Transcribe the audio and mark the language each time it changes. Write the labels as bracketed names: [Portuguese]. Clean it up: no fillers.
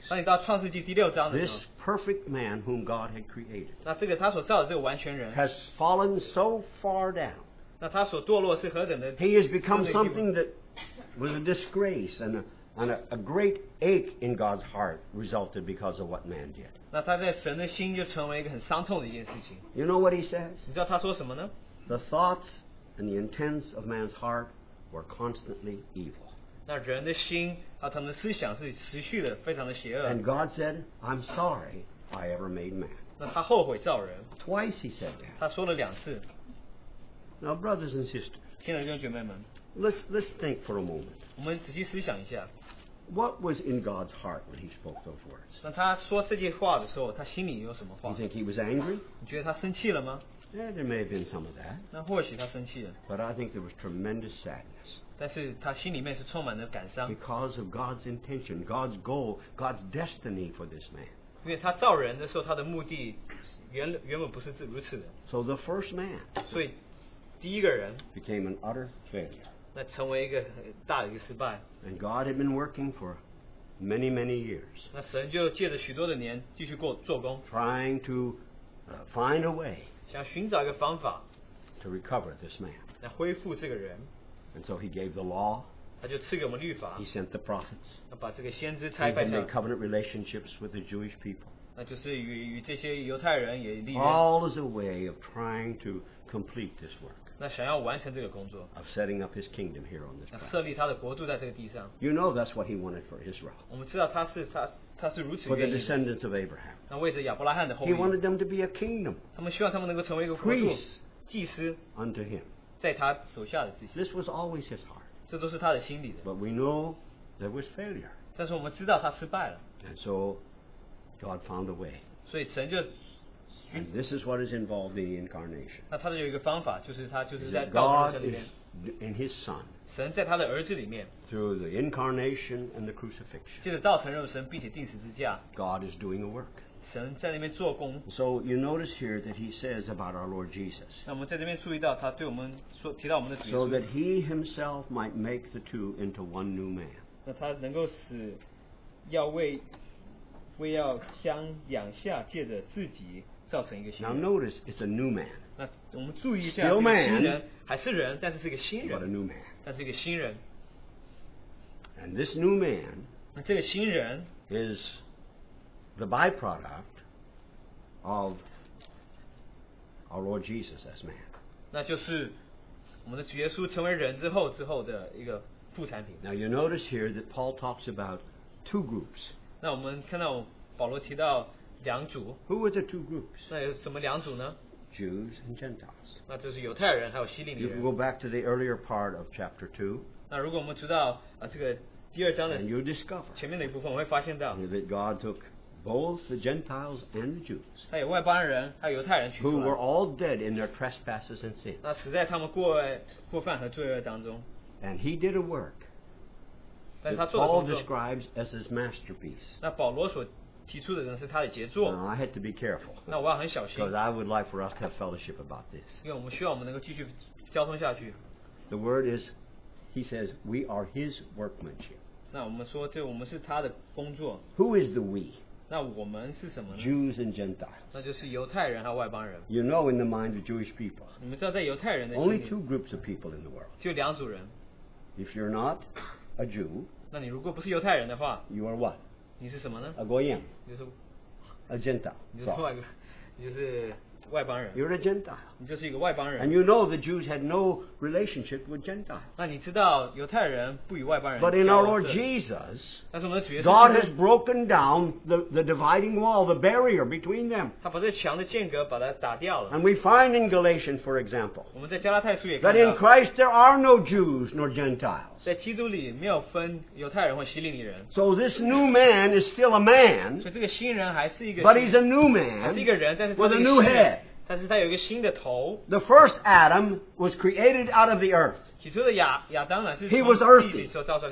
[Chinese] 当你到创世纪第六章的时候, [English] this perfect man whom God had created, [Chinese] 那这个他所造的这个完全人, [English] has fallen so far down, [Chinese] 那他所堕落是何等的, [English] he has become something that was a disgrace and a great ache in God's heart resulted because of what man did. [Chinese] 那他在神的心就成为一个很伤痛的一件事情。 [English] You know what he says? [Chinese] 你知道他说什么呢? [English] The thoughts and the intents of man's heart were constantly evil. [Chinese] 那人的心啊，他们的思想是持续的，非常的邪恶。 [English] And God said, "I'm sorry I ever made man." [Chinese] 那他后悔造人。 [English] Twice he said that. [Chinese] 他说了两次。 [English] Now, brothers and sisters, [Chinese] 亲爱的弟兄姐妹们 [English] let's think for a moment. [Chinese] 我们仔细思想一下。 [English] What was in God's heart when he spoke those words? [Chinese] 那他说这句话的时候，他心里有什么话 [English] ？You think he was angry? [Chinese] 你觉得他生气了吗？ [English] Yeah, there may have been some of that. [Chinese] 那或许他生气了。 [English] But I think there was tremendous sadness. [Chinese] 但是他心里面是充满了感伤。 [English] Because of God's intention, God's goal, God's destiny for this man. [Chinese] 因为他造人的时候，他的目的原本不是如此的。 [English] So the first man. [Chinese] 所以第一个人。 [English] Became an utter failure. [Chinese] 那成为一个大的一个失败。 [English] And God had been working for many, many years. [Chinese] 那神就借着许多的年继续做工。 [English] Trying to find a way. [Chinese] 想寻找一个方法 [English] to recover this man. [Chinese] 来恢复这个人。 [English] And so he gave the law. [Chinese] 他就赐给我们律法。 [English] He sent the prophets. [Chinese] 把这个先知差派他。 [English] He made covenant relationships with the Jewish people. [Chinese] 那就是与这些犹太人也立约。 [English] All is a way of trying to complete this work. [Chinese] 那想要完成这个工作。 [English] Of setting up his kingdom here on this planet. [Chinese] 设立他的国度在这个地上。 [English] You know that's what he wanted for Israel. [Chinese] 我们知道他是如此的。 [English] For the descendants of Abraham. [Chinese] 那为着亚伯拉罕的后裔。 [English] He wanted them to be a kingdom. [Chinese] 他们希望他们能够成为一个国度。 [English] Priests. [Chinese] 祭司。 [English] Unto him. [Chinese] 在他手下的祭司。 [English] This was always his heart. [Chinese] 这都是他的心里的。 [English] But we know there was failure. [Chinese] 但是我们知道他失败了。 [English] And so God found a way. [Chinese] 所以神就。 [English] And this is what is involved in the incarnation. [Chinese] 那他就有一个方法，就是他就是在道成神里面。 [English] In his son, [Chinese] 神在他的儿子里面, [English] through the incarnation and the crucifixion, [Chinese] 借着道成肉身并且钉十字架, [English] God is doing a work. [Chinese] 神在那边做工。 [English] So you notice here that he says about our Lord Jesus, [Chinese] 那我们在这边注意到他对我们说, 提到我们的主耶稣, [English] so that he himself might make the two into one new man. [Chinese] 那他能够使要为要将两下借着自己造成一个新人。 [English] Now notice it's a new man. [Chinese] 我们注意一下，新人还是人，但是是个新人。 [English] But a new man. [Chinese] 但是一个新人。 [English] And this new man. [Chinese] 那这个新人 [English] is the byproduct of our Lord Jesus as man. [Chinese] 那就是我们的主耶稣成为人之后的一个副产品。 [English] Now you notice here that Paul talks about two groups. [Chinese] 那我们看到保罗提到两组。 [English] Who were the two groups? [Chinese] 那有什么两组呢？ [English] Jews and Gentiles. [Chinese] 那这是犹太人, 还有希利尼人。 [English] You can go back to the earlier part of chapter 2. [Chinese] 那如果我们知道, 这个第二章的, [English] and you discover [Chinese] 前面的一部分, 我会发现到, [English] that God took both the Gentiles and the Jews, [Chinese] 还有外邦人, 还有犹太人取出来, [English] who were all dead in their trespasses and sins. [Chinese] 那死在他们过犯和罪恶当中, [English] and he did a work that Paul describes as his masterpiece. Now, I had to be careful because I would like for us to have fellowship about this. The word is, he says, we are his workmanship. Who is the we? [Chinese] 那我们是什么呢? [English] Jews and Gentiles. [Chinese] 那就是犹太人和外邦人。 [English] You know, in the mind of Jewish people, [Chinese] 你们知道在犹太人的心里, [English] only two groups of people in the world. [Chinese] 就两组人。 [English] If you're not a Jew, [Chinese] 那你如果不是犹太人的话, [English] you are what? [Chinese] 你是什么呢? [English] A Goyim. [Chinese] 你就是, [English] a Gentile. [Chinese] 你就是外邦人。 [English] You're a Gentile. [Chinese] 你就是一个外邦人。 [English] And you know the Jews had no relationship with Gentiles. [Chinese] 那你知道犹太人不与外邦人交涉。 [English] But in our Lord Jesus, [Chinese] 但是我们的主耶稣, [English] God has broken down the dividing wall, the barrier between them. [Chinese] 他把这墙的间隔把它打掉了。 [English] And we find in Galatians, for example, [Chinese] 我们在加拉太书也看到, [English] that in Christ there are no Jews nor Gentiles. [Chinese] 在基督里没有分犹太人或希利尼人。 [English] So this new man is still a man, [Chinese] 所以这个新人还是一个新, [English] but he's a new man, [Chinese] 他是一个人, [English] with a new head. [Chinese] 但是他有一个新的头。 [English] The first Adam was created out of the earth. [Chinese] 起初的亚当呢是从地里所造出来,